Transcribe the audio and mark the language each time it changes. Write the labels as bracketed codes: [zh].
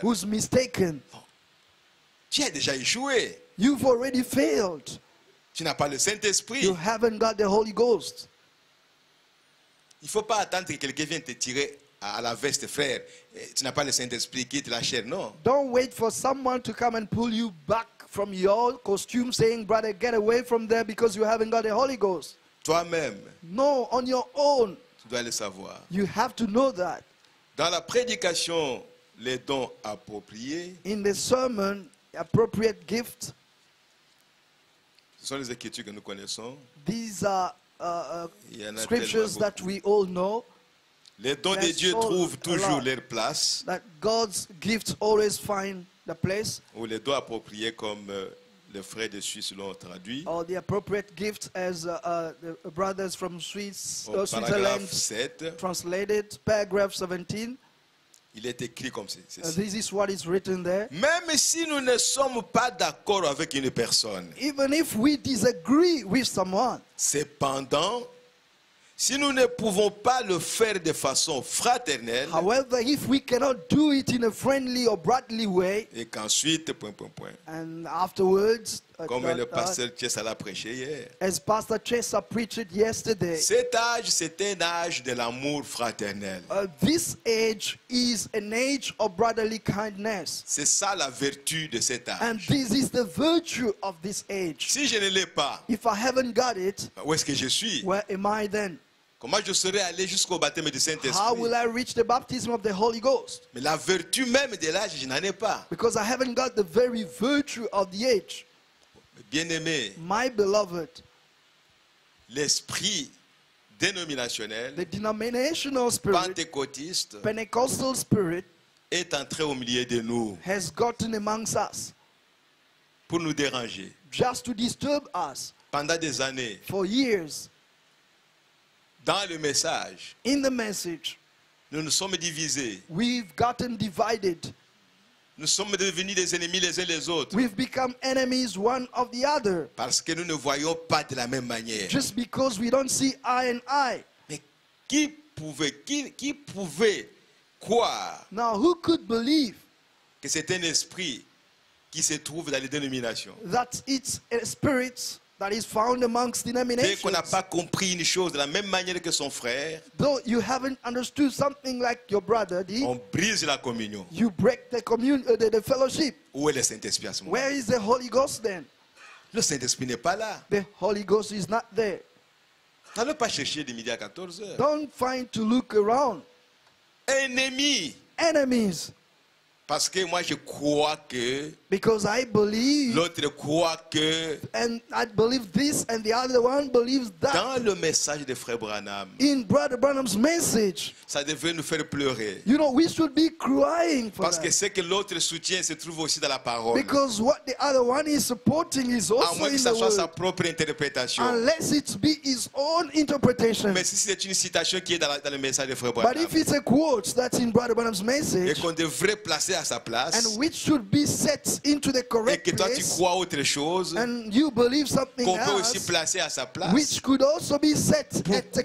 [en] who's mistaken, [fr] tu as déjà échoué, [en] you've already failed, [fr] tu n'as pas le Saint-Esprit, [en] you haven't got the Holy Ghost. [fr] Il faut pas attendre que quelqu'un vienne te tirer à la veste, frère. Tu n'as pas le Saint-Esprit, quitte la chair, non. [en] Don't wait for someone to come and pull you back from your costume, saying, brother, get away from there because you haven't got the Holy Ghost. [fr] Toi-même. [en] No, on your own. [fr] Tu dois le savoir. [en] You have to know that. [fr] Dans la prédication, les dons appropriés. [en] In the sermon, appropriate gift. [fr] Ce sont les écritures que nous connaissons. [en] These are scriptures that we all know. [fr] Les dons de Dieu trouvent toujours leur place. [en] That God's gifts always find the place. [fr] Ou les dons appropriés comme les frères de Suisse l'ont traduit. [en] All the appropriate gifts as the brothers from Switzerland translated. Paragraph 17. [fr] Il est écrit comme ceci. [en] This is what is written there. [fr] Même si nous ne sommes pas d'accord avec une personne. [en] Even if we disagree with someone. [fr] Cependant, Si nous ne pouvons pas le faire de façon fraternelle, [en] however, if we cannot do it in a friendly or brotherly way, [fr] et qu'ensuite, point, point, point, [en] and afterwards, [fr] comme le pasteur Chesa l'a prêché hier, [en] as Pastor Chesa preached yesterday, [fr] cet âge, c'est un âge de l'amour fraternel. [en] This age is an age of brotherly kindness. [fr] C'est ça la vertu de cet âge. [en] And this is the virtue of this age. [fr] Si je ne l'ai pas, [en] if I haven't got it, [fr] où est-ce que je suis? [en] Where am I then? [fr] Comment je serai allé jusqu'au baptême du Saint-Esprit? [en] How will I reach the baptism of the Holy Ghost? [fr] Mais la vertu même de l'âge, je n'en ai pas. [en] Because I haven't got the very virtue of the age. [fr] Bien-aimé, [en] my beloved, [fr] l'esprit dénominationnel, [en] the denominational spirit, [fr] pentecôtiste, [en] Pentecostal spirit, [fr] est entré au milieu de nous, [en] has gotten amongst us, [fr] pour nous déranger, [en] just to disturb us, [fr] pendant des années, [en] for years. [fr] Dans le message, [en] in the message, [fr] nous nous sommes divisés, [en] we've gotten divided. [fr] Nous sommes devenus des ennemis les uns les autres. [en] We've become enemies one of the other. [fr] Parce que nous ne voyons pas de la même manière. [en] Just because we don't see eye and eye. [fr] Mais qui pouvait croire? [en] Now who could believe? [fr] Que c'est un esprit qui se trouve dans les dénominations. [en] That it's a spirit that is found amongst denominations. [fr] Dès qu'on n'a pas compris une chose de la même manière que son frère, [en] though you haven't understood something like your brother did, [fr] on brise la communion. [en] You break the fellowship. [fr] Où est le Saint-Esprit à ce moment? [en] Where is the Holy Ghost then? [fr] Le Saint-Esprit n'est pas là. [en] The Holy Ghost is not there. [fr] N'allez pas chercher de midi à 14h. [en] Don't find to look around. [fr] Ennemis. [en] Enemies. [fr] Parce que moi je crois que, [en] because I believe, [fr] l'autre croit que, [en] and I believe this and the other one believes that, [fr] dans le message de frère Branham, [en] in Brother Branham's message, [fr] ça devait nous faire pleurer. [en] You know, we should be crying for [fr] parce [en] that. [fr] Que c'est que l'autre soutien se trouve aussi dans la parole. [en] Because what the other one is supporting is also in the word. [fr] À moins que ça soit sa propre interprétation. [en] Unless it be his own interpretation. [fr] Mais si c'est une citation qui est dans le message de frère Branham. [en] But if it's a quote that's in Brother Branham's message, [fr] et qu'on devrait placer à sa place, [en] and which should be set into the correct place, [fr] et que toi tu crois autre chose, [en] and you believe something [fr] qu'on peut [en] else, [fr] aussi placer à sa place, [en] which could also be set at the correct place.